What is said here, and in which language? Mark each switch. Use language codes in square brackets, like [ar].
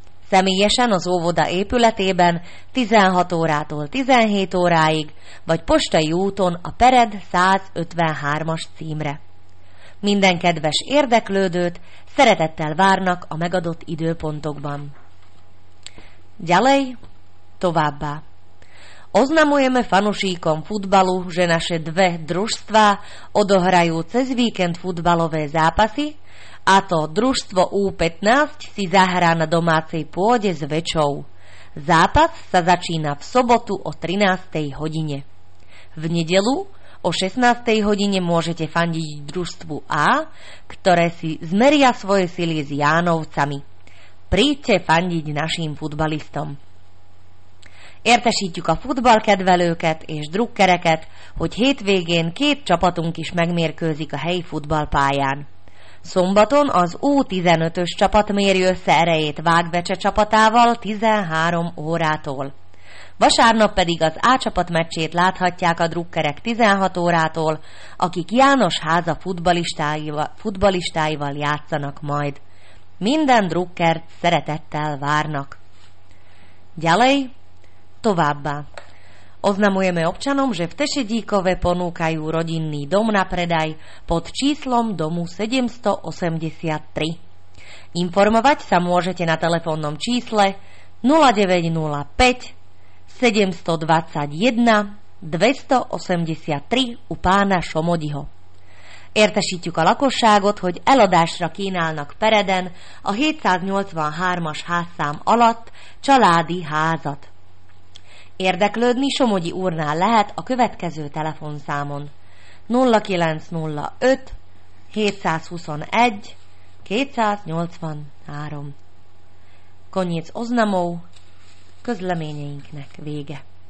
[hu] Személyesen az óvoda épületében 16 órától 17 óráig, vagy postai úton a Pered 153-as címre. Minden kedves érdeklődőt szeretettel várnak a megadott időpontokban. Gyalej, továbbá! [sk] Oznamujeme fanušíkom futbalu, že naše dve družstvá odohrajú cez víkend futbalové zápasy, a to družstvo U15 si zahrá na domácej pôde s Večou. Zápas sa začína v sobotu o 13. hodine. V nedelu o 16. hodine môžete fandiť družstvu A, ktoré si zmeria svoje sily s Jánovcami. Príďte fandiť našim futbalistom. [hu] Értesítjük a futballkedvelőket és drukkereket, hogy hétvégén két csapatunk is megmérkőzik a helyi futballpályán. Szombaton az U15-ös csapat méri össze erejét Vágbecse csapatával 13 órától. Vasárnap pedig az A csapat meccsét láthatják a drukkerek 16 órától, akik János háza futballistáival játszanak majd. Minden drukkert szeretettel várnak. [sk] Ďalej! [hu] Továbbá. [sk] Oznamujeme občanom, že v Tešedíkove ponúkajú rodinný dom na predaj pod číslom domu 783. Informovať sa môžete na telefónnom čísle 0905 721 283 u pána Šomodiho. [hu] Értesítjük a lakosságot, hogy eladásra kínálnak Pereden a 783-as házszám alatt családi házat. Érdeklődni Somogyi úrnál lehet a következő telefonszámon 0905 721 283. [sk] Koniec oznamov [hu] közleményeinknek vége.